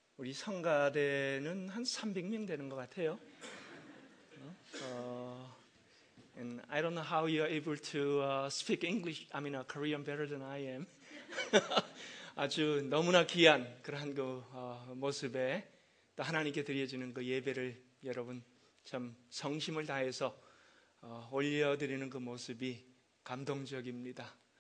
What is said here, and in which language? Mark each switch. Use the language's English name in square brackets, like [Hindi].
[Korean] 우리 성가대는 한 300명 되는 것 같아요. [English] And I don't know how you're able to speak English, I mean Korean better than I am. [Korean] 아주 너무나 귀한 그러한 그 모습에 또 하나님께 드려지는 그 예배를 여러분 참 성심을 다해서 올려드리는 그 모습이 감동적입니다.